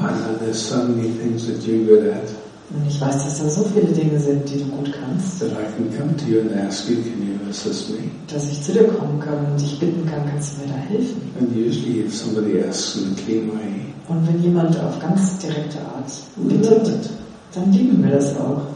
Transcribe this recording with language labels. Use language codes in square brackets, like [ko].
[en] I know there's so many things that you're good at. [de] Und ich weiß, dass da so viele Dinge sind, die du gut kannst. [en] That I can come to you and ask you, can you assist me? [de] Dass ich zu dir kommen kann und dich bitten kann, kannst du mir da helfen? [en] And usually if somebody asks in a clear way. [de] Und wenn jemand auf ganz direkte Art bittet, dann lieben wir das auch.